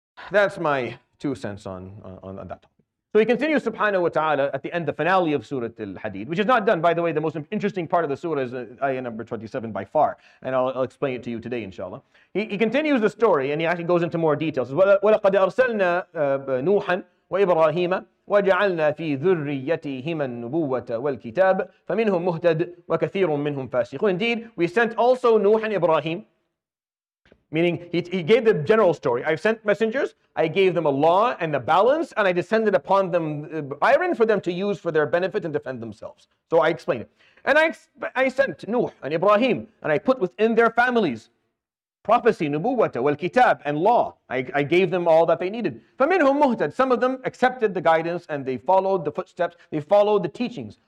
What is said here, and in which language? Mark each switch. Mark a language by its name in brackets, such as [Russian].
[English] That's my two cents on that topic. So he continues, subhanahu wa ta'ala, at the end, the finale of Surah Al-Hadid, which is not done, by the way. The most interesting part of the surah is ayah number 27 by far, and I'll explain it to you today, inshallah. He continues the story, and he actually goes into more details. [Arabic] وَلَقَدْ أَرْسَلْنَا نُوحًا وَإِبْرَاهِيمًا وَجَعَلْنَا فِي ذُرِّيَّتِهِمَا النُّبُوَّةَ وَالْكِتَابَ فَمِنْهُمْ مُهْتَدٍ وَكَثِيرٌ مِّنْهُمْ فَاسِقُونَ [English] Indeed, we sent also Nuh and Ibrahim, meaning he gave the general story. I've sent messengers, I gave them a law and a balance, and I descended upon them iron for them to use for their benefit and defend themselves. So I explained it. And I sent Nuh and Ibrahim, and I put within their families prophecy, nubuwata, wal-kitab, and law. I gave them all that they needed. [Arabic] فَمِنْهُمْ مُهْتَدْ [English] Some of them accepted the guidance and they followed the footsteps, they followed the teachings.